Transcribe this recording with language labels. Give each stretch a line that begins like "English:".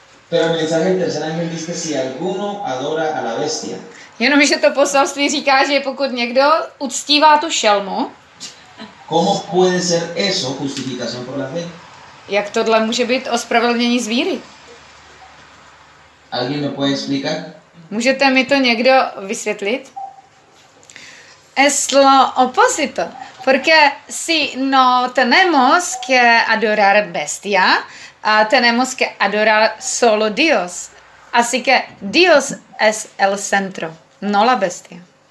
Spanish: Pero el mensaje del tercer ángel dice si alguno adora a la bestia.
Czech: Jenomže to poselství říká, že pokud někdo uctívá tu šelmu.
Spanish: ¿Cómo puede ser eso justificación por la fe?
Czech: Jak tohle může být ospravedlnění z víry?
Spanish: ¿Alguien me puede explicar?
Czech: Můžete mi to někdo vysvětlit?
Spanish: es lo opuesto, porque si no tenemos que adorar bestia, tenemos que adorar solo Dios. Así que Dios es el centro, no la bestia.